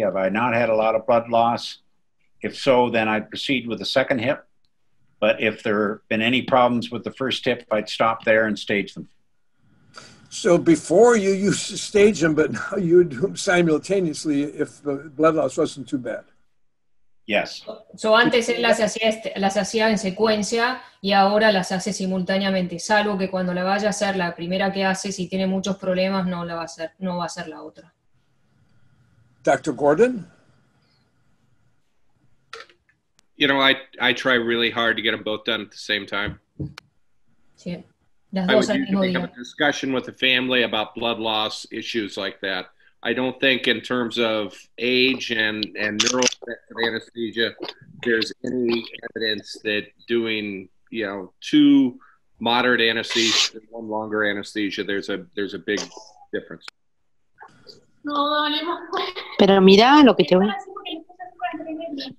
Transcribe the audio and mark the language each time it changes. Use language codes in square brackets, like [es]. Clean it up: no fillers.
[en] Have I not had a lot of blood loss? If so, then I'd proceed with the second hip. But if there have been any problems with the first hip, I'd stop there and stage them. So before you used to stage them, but now you would do them simultaneously if the blood loss wasn't too bad. Yes. [es] So antes él las hacía en secuencia y ahora las hace simultáneamente, salvo que cuando la vaya a hacer, la primera que hace, si tiene muchos problemas, no la va a hacer, no va a hacer la otra. [en] Dr. Gordon? You know, I try really hard to get them both done at the same time. [es] Sí. [en] I would usually have a discussion with the family about blood loss issues like that. I don't think in terms of age and neural effects of anesthesia, there's any evidence that doing, you know, two moderate anesthesia and one longer anesthesia, there's a big difference. [es] No, pero mira lo que te voy a decir.